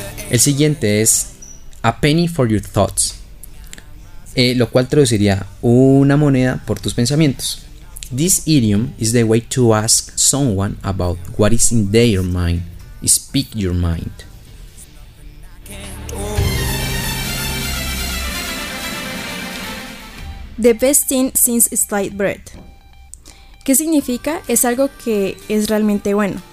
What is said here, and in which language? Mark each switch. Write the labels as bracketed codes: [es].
[es] El siguiente es "a penny for your thoughts", lo cual traduciría "una moneda por tus pensamientos". [en] This idiom is the way to ask someone about what is in their mind. Speak your mind. The best thing since sliced bread. [es] ¿Qué significa? Es algo que es realmente bueno.